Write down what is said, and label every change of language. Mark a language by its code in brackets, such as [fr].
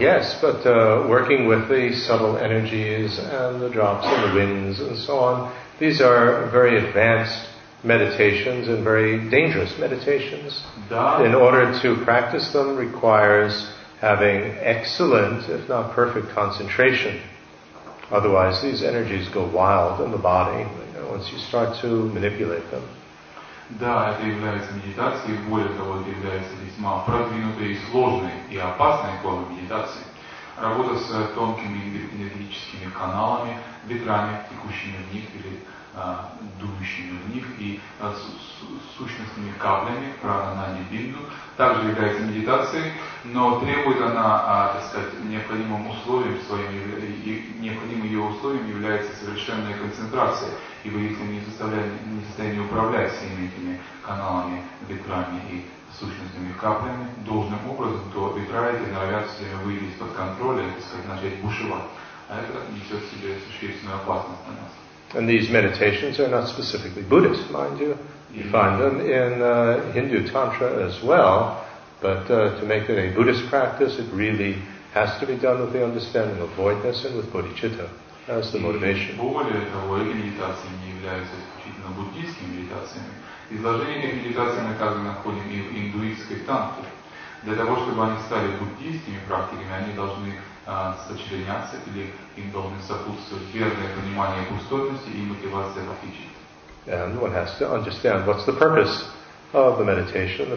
[en] Yes, but working with the subtle energies and the drops and the winds and so on, these are very advanced meditations and very dangerous meditations. In order to practice them requires having excellent, if not perfect, concentration. Otherwise, these energies go wild in the body, you know, once you start to manipulate them. [ru] Да, это является медитацией, более того, это является весьма продвинутой, сложной и опасной формой медитации. Работа с тонкими энергетическими каналами, ветрами, текущими в них или дующими в них, и сущностными каплями, прананани бинду, также является медитацией, но требует она, так сказать, необходимым условием своим, и необходимым ее условием является совершенная концентрация, ибо если мы не в состоянии управлять всеми этими каналами, ветрами и сущностными каплями должным образом, то ветра эти норовят все время выйти из-под контроля, так сказать, начать бушевать. А это несет в себе существенную опасность для нас. [en] And these meditations are not specifically Buddhist, mind you. You find them in Hindu Tantra as well. But to make it a Buddhist practice, it really has to be done with the understanding of voidness and with bodhicitta as the motivation. [ru] Более того, эти медитации не являются исключительно буддийскими медитациями. Изложение этих медитаций мы также находим и в индуистской тантре. Для того, чтобы они стали буддийскими практиками, они должны сочленяться или им должны сопутствовать верное понимание пустотности и мотивация практичности. [en] And one has to understand what's the purpose of the meditation.